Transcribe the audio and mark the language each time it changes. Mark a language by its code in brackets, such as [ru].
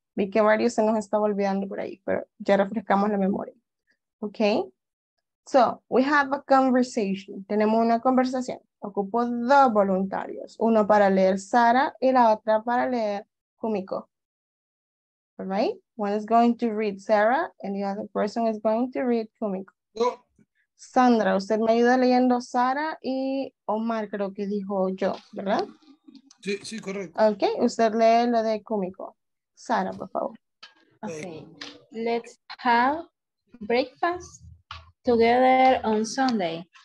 [es] Vi que varios se nos estaba olvidando por ahí, pero ya refrescamos la memoria. [en] Okay? So, we have a conversation. [es] Tenemos una conversación. Ocupo dos voluntarios. Uno para leer Sara y la otra para leer Kumiko. [en] All right? One is going to read Sarah and the other person is going to read Kumiko. [es] Yo. Sandra, usted me ayuda leyendo Sara y Omar, creo que dijo yo, ¿verdad? Sí, sí, correcto. Okay, usted lee lo de Kumiko. Sara, por favor. [en] Okay. Let's have breakfast together on Sunday.